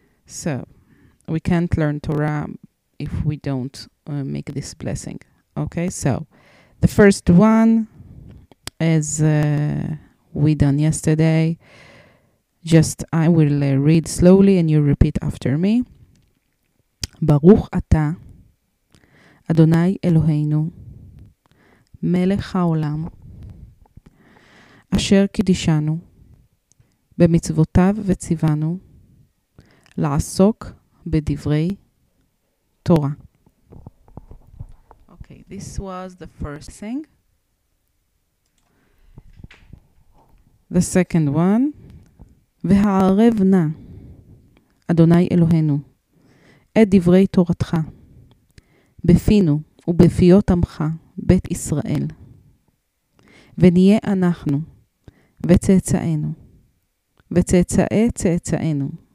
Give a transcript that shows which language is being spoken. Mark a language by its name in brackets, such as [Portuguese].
[English] So we can't learn Torah if we don't make this blessing. Okay, so the first one, as we done yesterday, just I will read slowly and you repeat after me. [Hebrew] Baruch Ata, Adonai Eloheinu, מלך העולם, אשר קידישנו במצוותיו וציוונו לעסוק בדברי תורה. [English] Okay, this was the first thing. The second one, [Hebrew] והערב נא, אדוני אלוהינו, את דברי תורתך, בפינו ובפיות עמך, בית ישראל, ונהיה אנחנו וצאצאינו וצאצאי צאצאינו